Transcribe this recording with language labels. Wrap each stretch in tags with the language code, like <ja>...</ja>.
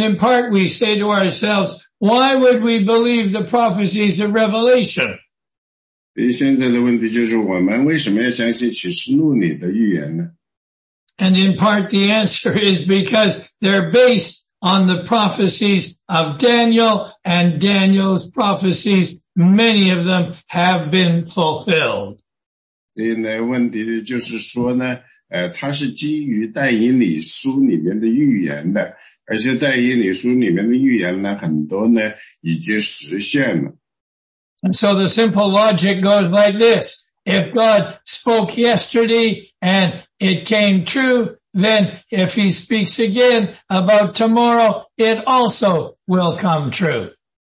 <en>in part we say to ourselves, why would we believe the prophecies of Revelation?</en> <zh>现在的问题就是我们为什么要相信启示录里的预言呢？</zh> <en>And in part the answer is because they're based on the prophecies of Daniel, and Daniel's prophecies, many of them have been fulfilled.</en> <zh>所以呢，问题就是说呢，它是基于但以理书里面的预言的，而且但以理书里面的预言呢，很多呢已经实现了。And</zh> <en>so the simple logic goes like this. If God spoke yesterday and it came true, then if he speaks again about tomorrow, it also will come true.</en>